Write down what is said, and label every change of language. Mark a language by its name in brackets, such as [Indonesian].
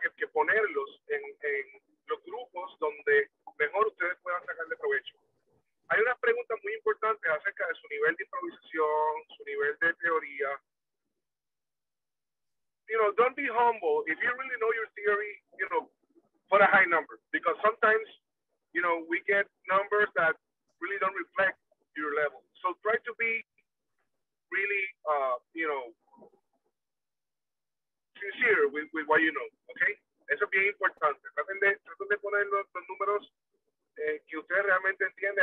[Spanish] Que ponerlos en los grupos donde mejor ustedes puedan sacarle provecho. Hay unas preguntas muy importantes acerca de su nivel de improvisación, su nivel de teoría. [English] Don't be humble. If you really know your theory, put a high number. Because sometimes, we get numbers that really don't reflect your level. So try to be really, sincere with what you know, okay? [Spanish] Eso es bien importante. Traten de poner los números que usted realmente entiende.